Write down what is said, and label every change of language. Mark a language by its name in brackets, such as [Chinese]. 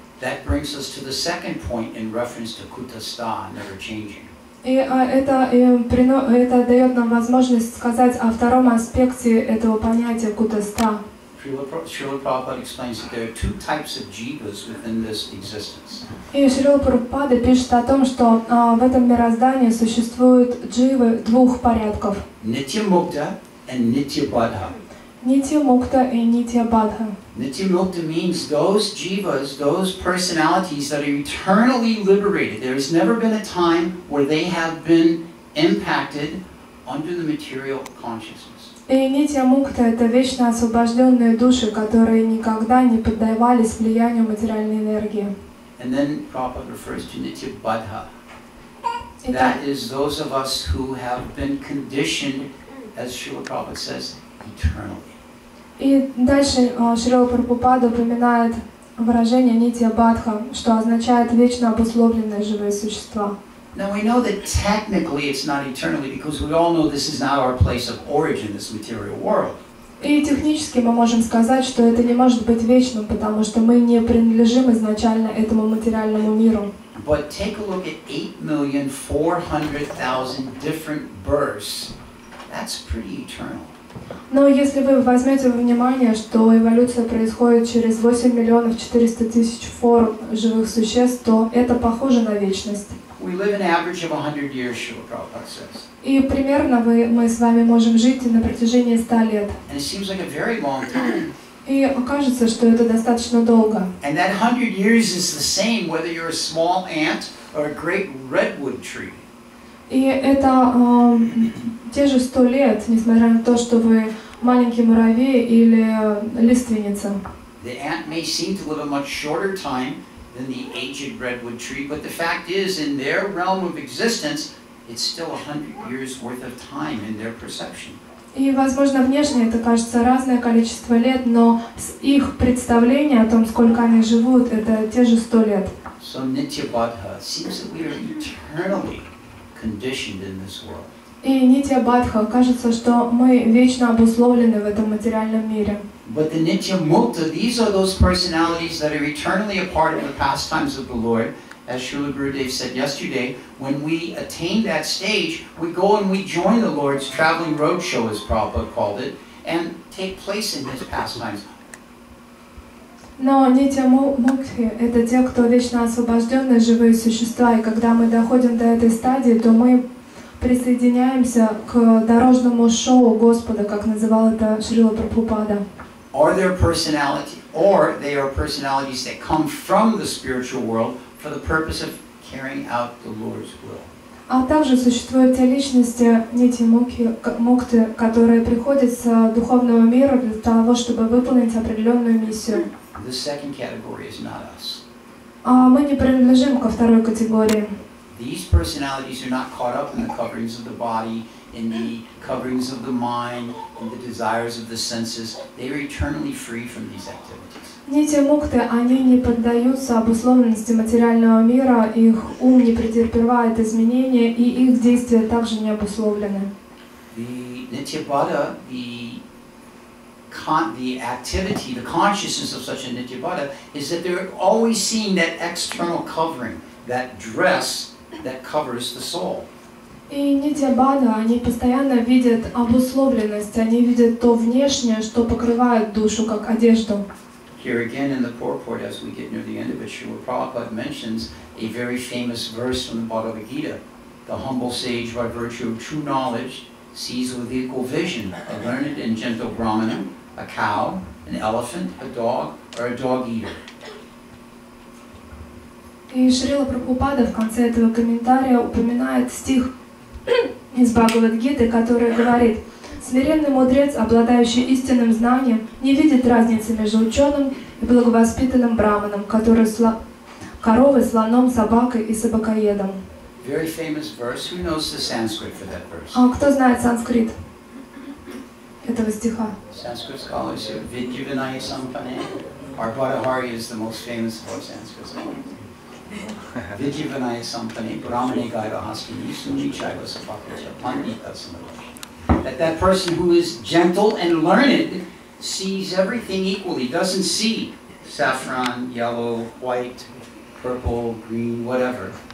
[English] That brings us to the second point in reference to kutastha, never changing. [Russian] И это дает нам возможность сказать о втором аспекте этого понятия kutastha. [English] Srila Prabhupada explains that there are two types of jivas within this existence. [Russian] И Шрила Прабхупада пишет о том, что в этом мироздании существуют дживы двух порядков. [English] Nityamukta and Nityabadha. Nityamukta and Nityabadha. Nityamukta means those jivas, those personalities that are eternally liberated. There has never been a time where they have been impacted under the material consciousness. [Russian] И Nityamukta — это вечно освобожденные души, которые никогда не поддавались влиянию материальной энергии. [English] And then Prabhupada refers to Nityabadha. That is those of us who have been conditioned, as Srila Prabhupada says, eternally. [Russian] И дальше Шрила Прабхупада упоминает выражение Нитья-Бадха, что означает вечно обусловленное живое существо. [English] Now we know that technically it's not eternally, because we all know this is not our place of origin, this material world. [Russian] И технически мы можем сказать, что это не может быть вечным, потому что мы не принадлежим изначально этому материальному миру. [English] But take a look at 8,400,000 different births. That's pretty eternal. [Russian] Но если вы возьмете во внимание, что эволюция происходит через 8,400,000 форм живых существ, то это похоже на вечность. [English] Years, [Russian] и примерно мы с вами можем жить на протяжении 100 лет. [English] Like [Russian] и кажется, что это достаточно долго. [English] And that 100 years is the same whether you're a small ant or a great redwood tree. [Russian] И это те же 100 лет, несмотря на то, что вы маленький муравей или лиственница. [English] The ant may seem to live a much shorter time than the aged redwood tree, but the fact is, in their realm of existence, it's still 100 years worth of time in their perception. [Russian] И, возможно, внешне это кажется разное количество лет, но их представление о том, сколько они живут, это те же 100 лет. [English] So Nityabadha, seems that we are eternally conditioned in this world. [Russian] И Нитья-Бадха, кажется, что мы вечно обусловлены в этом материальном мире. [English] But the Nityamukta, these are those personalities that are eternally a part of the pastimes of the Lord. As Srila Gurudev said yesterday, when we attain that stage, we go and we join the Lord's traveling roadshow, as Prabhupada called it, and take place in his pastimes. [Russian] Но Нитья-Мукхи — это те, кто вечно освобожденные живые существа, и когда мы доходим до этой стадии, то мы присоединяемся к дорожному шоу Господа, как называл это Шрила Прабхупада. [English] Are their personality, or they are personalities that come from the spiritual world for the purpose of carrying out the Lord's will. [Russian] А также существуют те личности, эти мукты, которые приходят с духовного мира для того, чтобы выполнить определенную миссию. [English] The second category is not us. [Russian] А мы не принадлежим ко второй категории. [English] These personalities are not caught up in the coverings of the body, in the coverings of the mind, in the desires of the senses. They are eternally free from these activities. [Russian] Эти мукты, они не поддаются обусловленности материального мира, их ум не претерпевает изменения, и их действия также не обусловлены. [English] The Nityabhata, the activity, the consciousness of such a Nityabhata is that they're always seeing that external covering, that dress that covers the soul. [Russian] И Нитьябхата, они постоянно видят обусловленность, они видят то внешнее, что покрывает душу, как одежду. [English] Here again in the purport, as we get near the end of it, Srila Prabhupada mentions a very famous verse from the Bhagavad Gita. The humble sage, by virtue of true knowledge, sees with equal vision a learned and gentle brahmana, a cow, an elephant, a dog, or a dog eater. [Russian] И Шрила Прабхупада в конце этого комментария упоминает стих из Бхагавад-гиты, который говорит: «Смиренный мудрец, обладающий истинным знанием, не видит разницы между ученым и благовоспитанным брахманом, который коровой, слоном, собакой и собакоедом». [English] Very famous verse. Who knows the Sanskrit for that verse? [Russian] А кто знает санскрит этого стиха? [English] Sanskrit scholars here, [Sanskrit] Vidyavinaya Sampane. [English] Arbhatahari is the most famous of our Sanskrit scholars. [Sanskrit] Vidyavinaya Sampane, Brahmani Gaira Hastini, Suni Chaiva Sapakacha, Pandita Samarash. [English] That person who is gentle and learned sees everything equally, doesn't see saffron, yellow, white, purple, green, whatever.